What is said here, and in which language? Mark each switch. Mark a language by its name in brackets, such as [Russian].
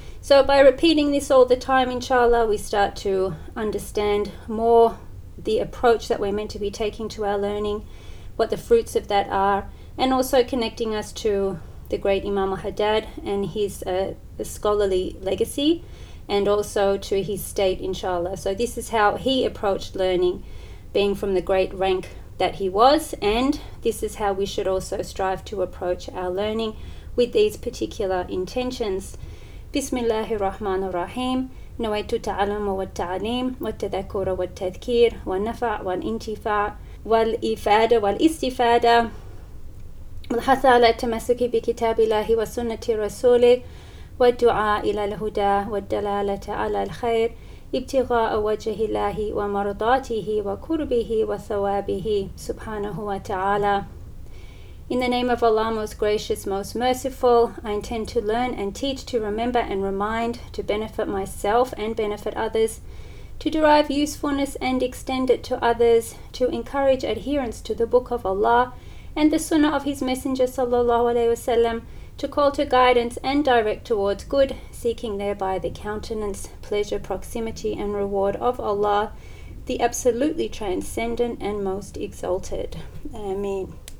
[English] So by repeating this all the time, inshallah, we start to understand more the approach that we're meant to be taking to our learning, what the fruits of that are, and also connecting us to the great Imam Haddad and his scholarly legacy, and also to his state, inshallah. So this is how he approached learning, being from the great rank that he was, and this is how we should also strive to approach our learning with these particular intentions. [Arabic] Bismillahirrahmanirrahim. Nawaitu ta'alamu wa ta'aleem wa tadhakura wa tadhkir wa nafa' wa intifa' wal ifada wal istifada الحث على التمسك بكتاب الله وسنة رسوله والدعاء إلى الهدى والدلالة على الخير ابتغاء وجه الله ومرضاته وكربه وثوابه سبحانه وتعالى. [English] In the name of Allah, most gracious, most merciful, I intend to learn and teach, to remember and remind, to benefit myself and benefit others, to derive usefulness and extend it to others, to encourage adherence to the Book of Allah and the Sunnah of His Messenger sallallahu alaihi wasallam, to call to guidance and direct towards good, seeking thereby the countenance, pleasure, proximity and reward of Allah, the absolutely transcendent and most exalted. Ameen.